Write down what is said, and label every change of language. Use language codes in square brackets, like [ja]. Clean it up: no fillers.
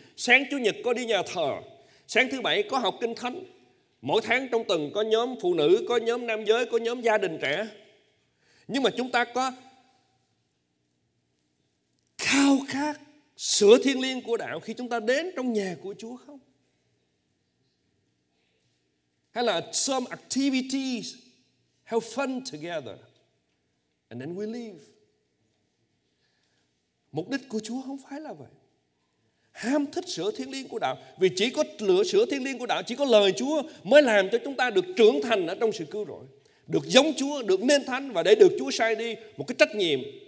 [vi] Sáng Chủ nhật có đi nhà thờ, sáng thứ bảy có học kinh thánh, mỗi tháng trong tuần có nhóm phụ nữ, có nhóm nam giới, có nhóm gia đình trẻ. Nhưng mà chúng ta có khao khát sữa thiêng liêng của đạo khi chúng ta đến trong nhà của Chúa không? Hay là [en] some activities have fun together and then we leave. [vi] Mục đích của Chúa không phải là vậy. Ham thích sữa thiêng liêng của đạo, vì chỉ có lửa sữa thiêng liêng của đạo, chỉ có lời Chúa mới làm cho chúng ta được trưởng thành ở trong sự cứu rỗi, được giống Chúa, được nên thánh, và để được Chúa sai đi một cái trách nhiệm.